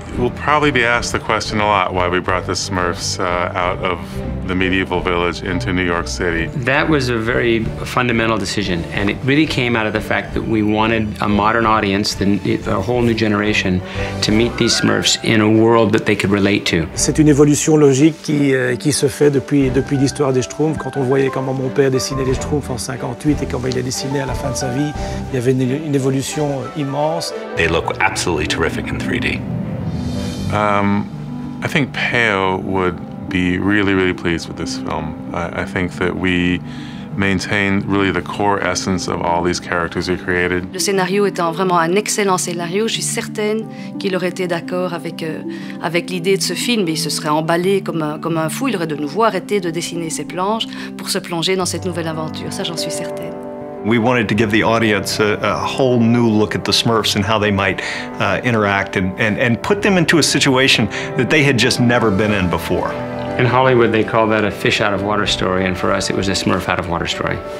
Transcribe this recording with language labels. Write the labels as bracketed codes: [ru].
[en] We'll probably be asked the question a lot, why we brought the Smurfs out of the medieval village into New York City. That was a very fundamental decision, and it really came out of the fact that we wanted a modern audience, a whole new generation, to meet these Smurfs in a world that they could relate to. [fr] C'est une évolution logique qui se fait depuis l'histoire des Schtroumpfs. Quand on voyait comment mon père dessinait les Schtroumpfs en 58 et comment il a dessiné à la fin de sa vie, il y avait une évolution immense. [en] They look absolutely terrific in 3D. I think Peyo would be really, really pleased with this film. I think that we maintain really the core essence of all these characters we created. [fr] Le scénario étant vraiment un excellent scénario, je suis certaine qu'il aurait été d'accord avec l'idée de ce film. Il se serait emballé comme un fou. Il aurait de nouveau arrêté de dessiner ses planches pour se plonger dans cette nouvelle aventure. Ça, j'en suis certaine. [en] We wanted to give the audience a whole new look at the Smurfs and how they might interact and put them into a situation that they had just never been in before. In Hollywood, they call that a fish out of water story, and for us, it was a Smurf out of water story.